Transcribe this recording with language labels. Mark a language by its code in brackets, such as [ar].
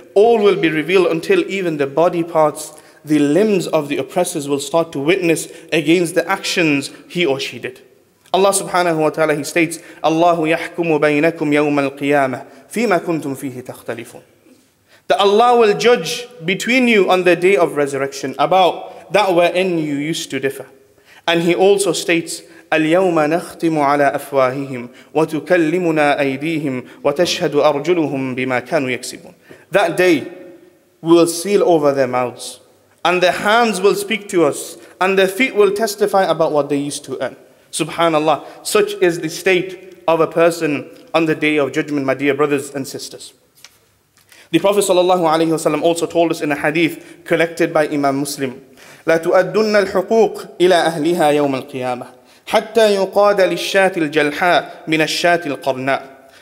[en] All will be revealed until even the body parts, the limbs of the oppressors will start to witness against the actions he or she did. Allah subhanahu wa ta'ala, He states, Allahu yahkumu baynakum yawma al-qiyamah fima kuntum fihi takhtalifun. That Allah will judge between you on the day of resurrection about that wherein you used to differ. And He also states, [ar] اليوم نختم على أفواههم وتكلمنا أيديهم وتشهد أرجلهم بما كانوا يكسبون. [en] That day, we will seal over their mouths, and their hands will speak to us, and their feet will testify about what they used to earn. Subhanallah, such is the state of a person on the day of judgment, my dear brothers and sisters. The Prophet sallallahu alaihi wasallam also told us in a hadith collected by Imam Muslim, [ar] لا تؤدن الحقوق إلى أهلها يوم القيامة حتى يقاد للشاة الجلحاء من الشاة القرناء.